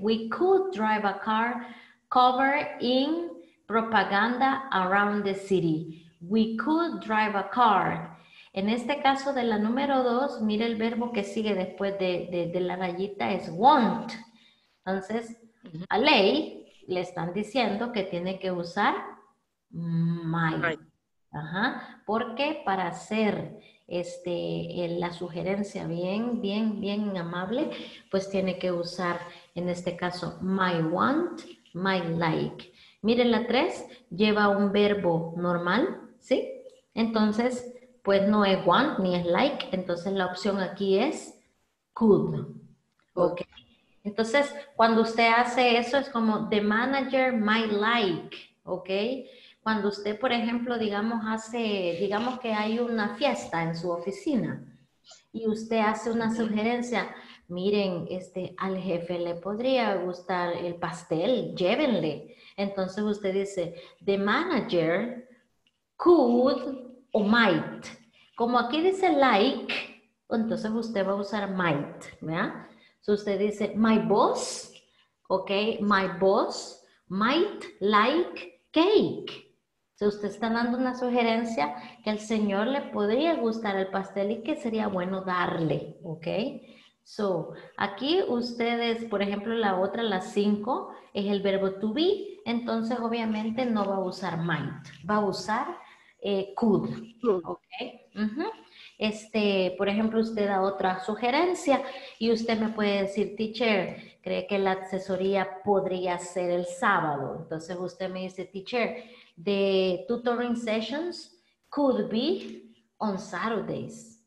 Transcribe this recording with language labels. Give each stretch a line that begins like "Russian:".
English: We could drive a car covered in propaganda around the city. We could drive a car.
Spanish: En este caso de la número dos, mire el verbo que sigue después de la rayita, es want. Entonces, a ley le están diciendo que tiene que usar might. Ajá. Porque para hacer la sugerencia bien amable, pues tiene que usar en este caso my want, my like. Miren la 3, lleva un verbo normal, ¿sí? Entonces, pues no es want ni es like, entonces la opción aquí es could. Ok. Entonces, cuando usted hace eso, es como
English: the manager might like,
Spanish: ¿ok? Cuando usted, por ejemplo, digamos que hay una fiesta en su oficina y usted hace una sugerencia, miren, al jefe le podría gustar el pastel, llévenle. Entonces usted dice,
English: the manager could
Spanish: o might. Como aquí dice like, entonces usted va a usar might, ¿verdad? Si usted dice,
English: my boss, ok, my boss might like cake.
Spanish: Si usted está dando una sugerencia que al señor le podría gustar el pastel y que sería bueno darle, ¿ok? So, aquí ustedes, por ejemplo, la otra, la 5, es el verbo to be, entonces obviamente no va a usar might, va a usar could, ¿ok? Uh-huh. Por ejemplo, usted da otra sugerencia y usted me puede decir, teacher, cree que la asesoría podría ser el sábado. Entonces usted me dice,
English: teacher, the tutoring sessions could be on Saturdays.